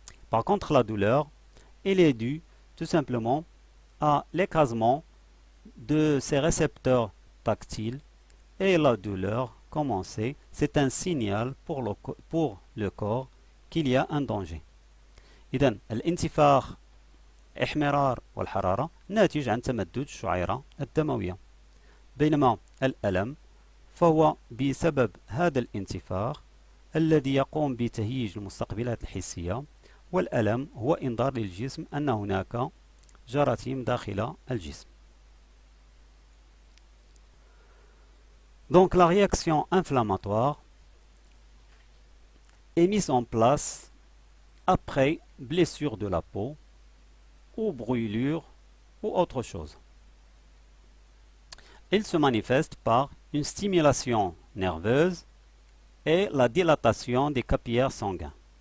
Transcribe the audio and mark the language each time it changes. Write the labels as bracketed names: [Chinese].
[French] Par contre, la douleur, elle est due tout simplement à l'écrasement de ces récepteurs tactiles et la douleur commencer, c'est un signal pour le corps qu'il y a un danger. [Arabic] إذن الانتفاخ احمرار والحرارة ناتج عن تمدد الشعيرة الدموية. بينما الألم فهو بسبب هذا الانتفاخ الذي يقوم بتهييج المستقبلات الحسية، والألم هو إنذار للجسم أن هناك جراثيم داخل الجسم. [French] Donc la réaction inflammatoire est mise en place après blessure de la peau ou brûlure ou autre chose. Elle se manifeste par une stimulation nerveuse et la dilatation des capillaires sanguins.